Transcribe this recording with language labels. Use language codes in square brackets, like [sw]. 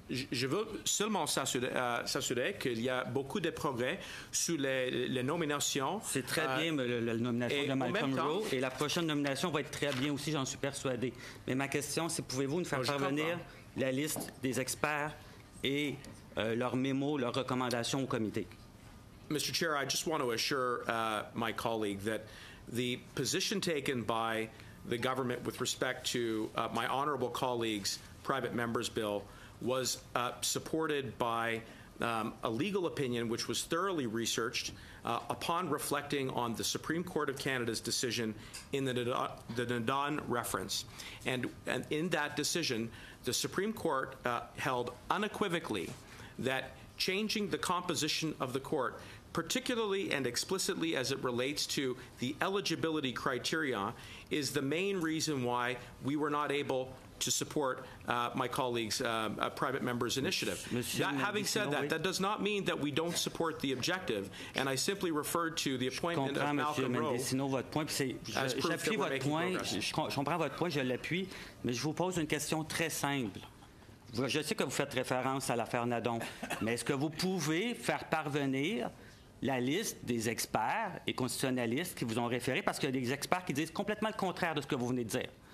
[fr] Je veux seulement s'assurer qu'il y a beaucoup de progrès sur les nominations. C'est très bien, la nomination de Malcolm Rowe. Et la prochaine nomination va être très bien aussi, j'en suis persuadé. Mais ma question, c'est pouvez-vous nous faire parvenir la liste des experts et leurs mémos, leurs recommandations au comité? [en] Mr. Chair, I just want to assure my colleague that the position taken by the government with respect to my honorable colleague's private member's bill was supported by a legal opinion which was thoroughly researched upon reflecting on the Supreme Court of Canada's decision in the Dandon reference. And in that decision, the Supreme Court held unequivocally that changing the composition of the court, particularly and explicitly as it relates to the eligibility criteria, is the main reason why we were not able to support my colleague's private member's initiative. That does not mean that we don't support the objective, and I simply referred to the appointment of Malcolm Rowe. [fr] Je comprends votre point, je l'appuie, mais je vous pose une question très simple. Je sais que vous faites référence à l'affaire Nadon, mais est-ce que vous pouvez faire parvenir la liste des experts et constitutionnalistes qui vous ont référé, parce qu'il y a des experts qui disent complètement le contraire de ce que vous venez de dire.